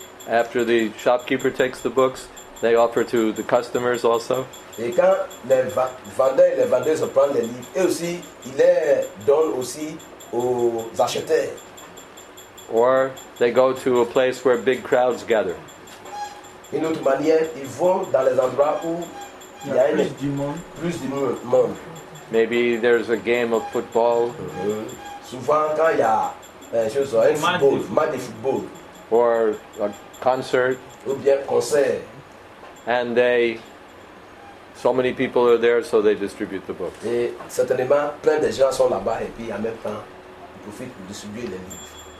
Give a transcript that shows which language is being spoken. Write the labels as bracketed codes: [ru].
[en] After the shopkeeper takes the books, they offer to the customers also. [fr] Et quand les vendeurs et les vendeuses prennent les livres, et aussi, ils les donnent aussi aux acheteurs. [en] Or they go to a place where big crowds gather. [fr] Une autre manière, ils vont dans les endroits où il y a plus du monde. Plus du monde. [en] Maybe there's a game of football. [fr] Mm-hmm. Souvent, quand il y a un match de football. [en] Or a concert. [fr] Ou bien concert. [en] And they, so many people are there, so they distribute the books. [fr] Et certainement, plein de gens sont là-bas et puis en même temps, ils profitent pour distribuer les livres.